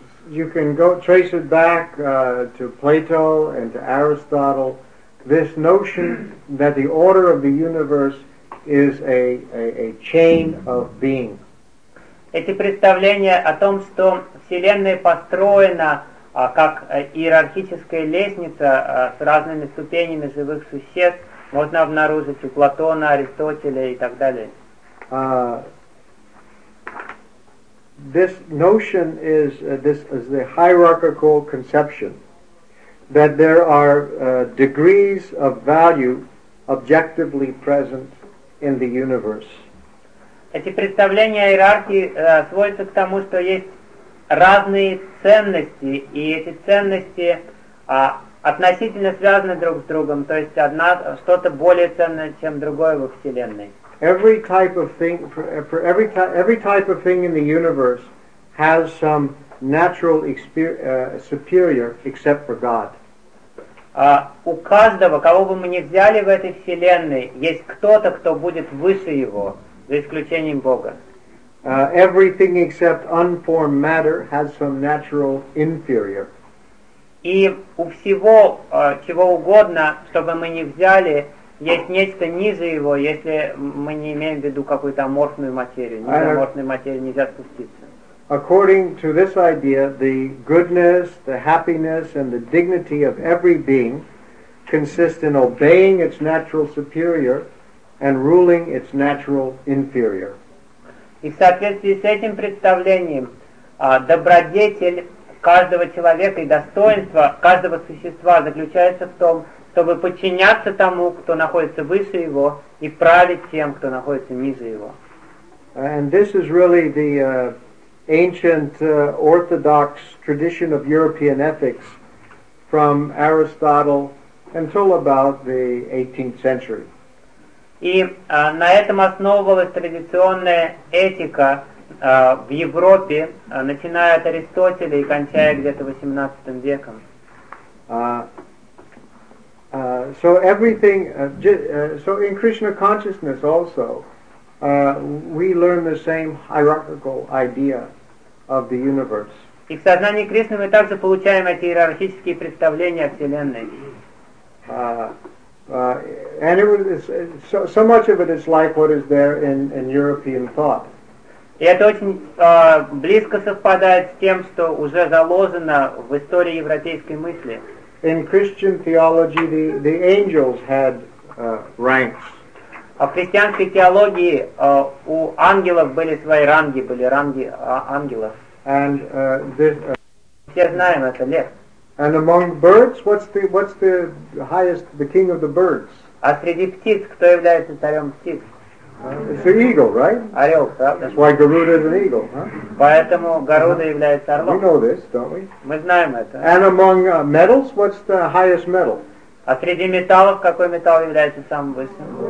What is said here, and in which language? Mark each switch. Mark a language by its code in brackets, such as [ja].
[en] You can go trace it back to Plato and to Aristotle. This notion that the order of the universe is a chain of being. [ru] Эти представления о том, что Вселенная построена как иерархическая лестница с разными ступенями живых существ, можно обнаружить у Платона, Аристотеля и так далее. [en] This notion is the hierarchical conception that there are degrees of value objectively present in the universe. [ru] Эти представления о иерархии сводятся к тому, что есть разные ценности, и эти ценности относительно связаны друг с другом, то есть одна что-то более ценное, чем другое во Вселенной. [en] Every type of thing in the universe has some natural superior except for God. [ru] У каждого, кого бы мы ни взяли в этой Вселенной, есть кто-то, кто будет выше его. За исключением Бога. [en] Everything except unformed matter has some natural inferior. [ru] И у всего, чего угодно, что бы мы ни взяли, есть нечто ниже его, если мы не имеем в виду какую-то аморфную материю. Ниже аморфной материи нельзя спуститься. [en] According to this idea, the goodness, the happiness, and the dignity of every being consist in obeying its natural superior and ruling its natural inferior. [ru] И в соответствии с этим представлением, добродетель каждого человека и достоинство каждого существа заключается в том, чтобы подчиняться тому, кто находится выше его, и править тем, кто находится ниже его. [en] And this is really the ancient orthodox tradition of European ethics from Aristotle until about the 18th century. [ru] И на этом основывалась традиционная этика в Европе, начиная от Аристотеля и кончая где-то 18 веком. [en] So in Krishna consciousness also, we learn the same hierarchical idea of the universe. [ru] И в сознании Кришны мы также получаем эти иерархические представления о Вселенной. [en] And it was so much of it is like what is there in European thought. [ru] И это очень близко совпадает с тем, что уже заложено в истории европейской мысли. [en] In Christian theology, the angels had ranks. [ru] В христианской теологии у ангелов были свои ранги, были ранги ангелов. [en] And [ru] все знаем это лев. [en] And among birds, what's the highest, the king of the birds? [ru] А среди птиц кто является царем птиц? [en] It's the eagle, right? [ru] Орел, правда? [en] That's why Garuda is an eagle, huh? [ru] Поэтому Гаруда является орлом. [en] We know this, don't we? [ru] Мы знаем это. [en] And among metals, what's the highest metal? [ru] А среди металлов какой металл является самым высоким?